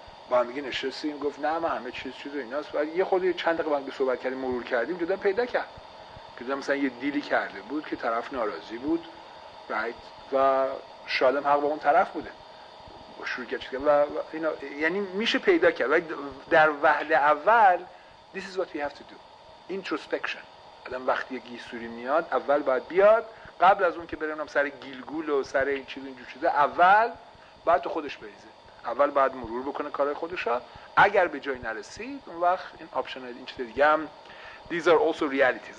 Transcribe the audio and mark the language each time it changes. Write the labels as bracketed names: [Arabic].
[Persian] با هم دیگه نشستیم، گفت نه ما همه چیز ایناست، ولی یه خود چند دقیقه بعد صحبت کردیم، مرور کردیم، دیدم پیدا کرد. دیدم مثلا یه دیلی کرده بود که طرف ناراضی بود، رایت، و شاید هم حق با اون طرف بوده. شروع کرد چیکار، و اینا یعنی میشه پیدا کرد. ولی در وهله اول [English] this is what we have to do. Introspection. [Persian] آدم وقتی یه یسوری میاد، اول باید بیاد قبل از اون که برنم سر گیلگول و سر این چیز اینجور چیزه، اول باید تو خودش بریزه. اول باید مرور بکنه کارهای خودشا. اگر به جایی نرسید، اون وقت این آپشن این چیز دیگه هم [English] these are also realities.